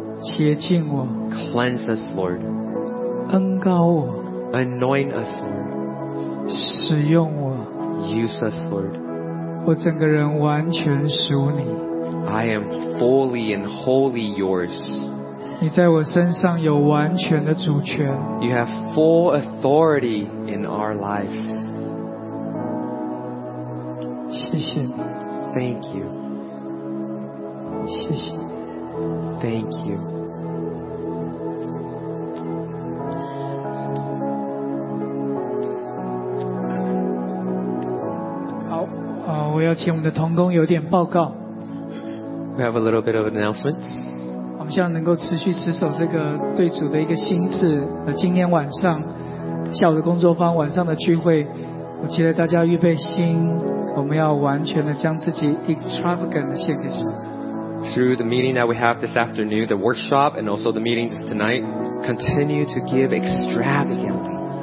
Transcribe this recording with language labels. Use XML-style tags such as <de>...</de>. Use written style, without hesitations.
<zh>洁净我。</zh> <en>Cleanse us, Lord.</en> <zh>恩膏我。</zh> <en>Anoint us, Lord.</en> <zh>使用我。</zh> <en>Use us, Lord.</en> <zh>我整个人完全属你。</zh> <en>I am fully and wholly yours.</en> <zh>你在我身上有完全的主权。</zh> <en>You have full authority in our lives.</en> <zh>谢谢你。</zh> <en>Thank you.</en> <zh>谢谢。</zh> <en>Thank you.</en> <zh>我要请我们的同工有点报告。</zh> <en>We have a little bit of announcements.</en> <zh>我们希望能够持续持守这个对主的一个心智。今天晚上下午的工作坊，晚上的聚会，我期待大家预备心，我们要完全的将自己 extravagant 献给神。</zh> <en>Through the meeting that we have this afternoon, the workshop, and also the meeting tonight, continue to give extravagantly.</en>